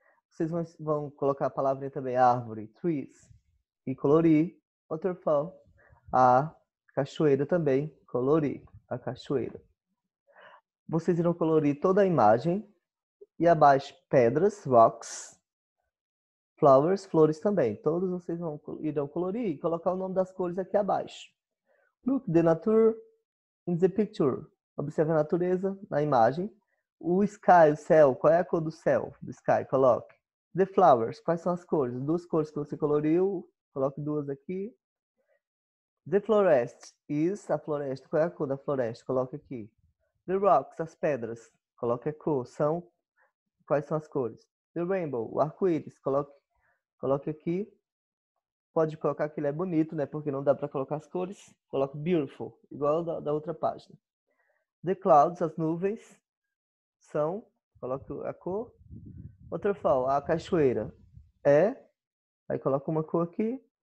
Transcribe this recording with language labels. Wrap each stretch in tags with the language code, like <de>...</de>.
<pt>Vocês vão colocar a palavrinha também, árvore, trees, e colorir, waterfall, a cachoeira também, colorir, a cachoeira. Vocês irão colorir toda a imagem, e abaixo, pedras, rocks, flowers, flores também. Todos vocês irão colorir e colocar o nome das cores aqui abaixo.</pt> <en>Look the nature in the picture.</en> <pt>Observe a natureza na imagem. O sky, o céu, qual é a cor do céu? Do sky, coloque. The flowers, quais são as cores? Duas cores que você coloriu, coloque duas aqui. The forest is a floresta, qual é a cor da floresta? Coloque aqui. The rocks, as pedras, coloque a cor, são quais são as cores? The rainbow, o arco-íris, coloque aqui. Pode colocar que ele é bonito, né? Porque não dá para colocar as cores. Coloque beautiful, igual da outra página. The clouds, as nuvens, são, coloque a cor. Waterfall, a cachoeira é. Aí coloca uma cor aqui.</pt>